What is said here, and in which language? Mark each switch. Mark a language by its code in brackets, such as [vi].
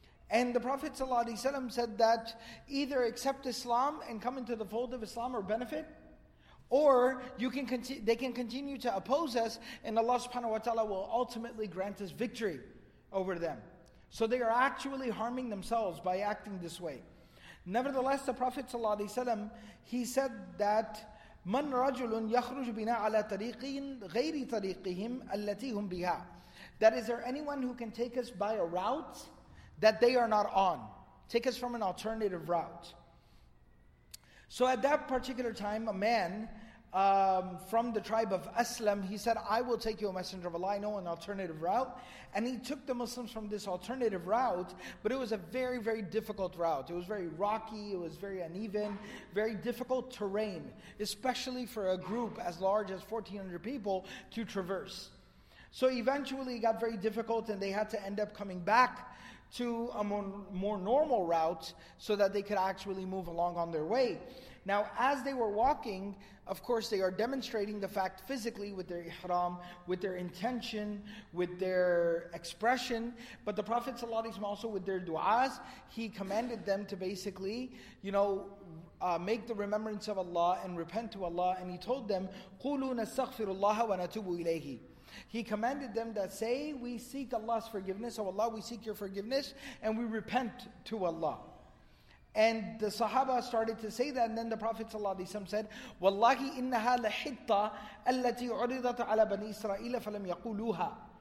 [en] And the Prophet ﷺ said that either accept Islam and come into the fold of Islam or benefit, or you can they can continue to oppose us, and Allah subhanahu wa ta'ala will ultimately grant us victory over them. So they are actually harming themselves by acting this way. Nevertheless, the Prophet ﷺ, he said that, [ar] مَنْ رَجُلٌ يَخْرُجُ بِنَا عَلَىٰ طَرِيقٍ غَيْرِ طَرِيقِهِمْ أَلَّتِي هُمْ بِهَا. [en] That is, there anyone who can take us by a route that they are not on? Take us from an alternative route. So at that particular time, a man from the tribe of Aslam, he said, I will take you, a messenger of Allah, I know an alternative route. And he took the Muslims from this alternative route, but it was a very, very difficult route. It was very rocky, it was very uneven, very difficult terrain, especially for a group as large as 1,400 people to traverse. So eventually it got very difficult, and they had to end up coming back to a more normal route so that they could actually move along on their way. Now, as they were walking, of course, they are demonstrating the fact physically with their ihram, with their intention, with their expression. But the Prophet ﷺ also, with their du'as, he commanded them to basically, you know, make the remembrance of Allah and repent to Allah. And he told them, [ar] قُلُوا نَسْتَغْفِرُ اللَّهَ وَنَتُوبُ إِلَيْهِ. [en] He commanded them that, say, we seek Allah's forgiveness. Oh Allah, we seek your forgiveness and we repent to Allah. And the Sahaba started to say that, and then the Prophet ﷺ said, [ar] وَاللَّهِ إِنَّهَا لَحِطَّةَ الَّتِي عُرِضَتْ عَلَى بَنِي إِسْرَائِيلَ فَلَمْ يَقُولُوهَا.